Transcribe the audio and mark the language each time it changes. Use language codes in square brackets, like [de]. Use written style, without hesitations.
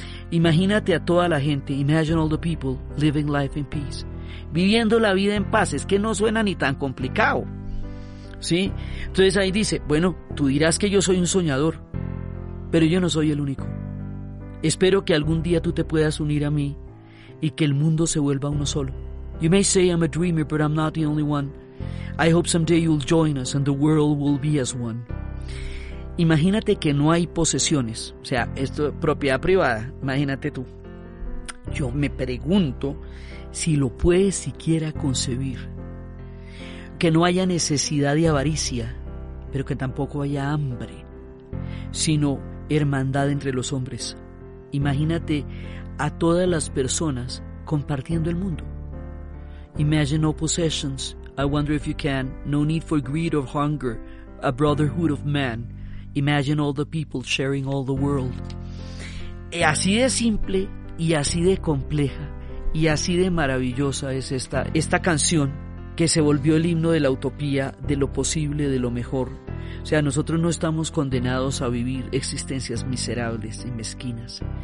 [es] Imagínate a toda la gente, [en] imagine all the people living life in peace, [es] viviendo la vida en paz. Es que no suena ni tan complicado, ¿sí? Entonces ahí dice, bueno, tú dirás que yo soy un soñador, pero yo no soy el único. Espero que algún día tú te puedas unir a mí y que el mundo se vuelva uno solo. [en] You may say I'm a dreamer, but I'm not the only one. I hope someday you'll join us and the world will be as one. [es] Imagínate que no hay posesiones, o sea, esto es propiedad privada, imagínate tú. Yo me pregunto si lo puedes siquiera concebir. Que no haya necesidad de avaricia, pero que tampoco haya hambre, sino hermandad entre los hombres. Imagínate a todas las personas compartiendo el mundo. [en] Imagine no possessions, I wonder if you can, no need for greed or hunger, a brotherhood of man. Imagine all the people sharing all the world. [es] Así de simple y así de compleja y así de maravillosa es esta canción, que se volvió el himno de la utopía, de lo posible, de lo mejor. O sea, nosotros no estamos condenados a vivir existencias miserables y mezquinas.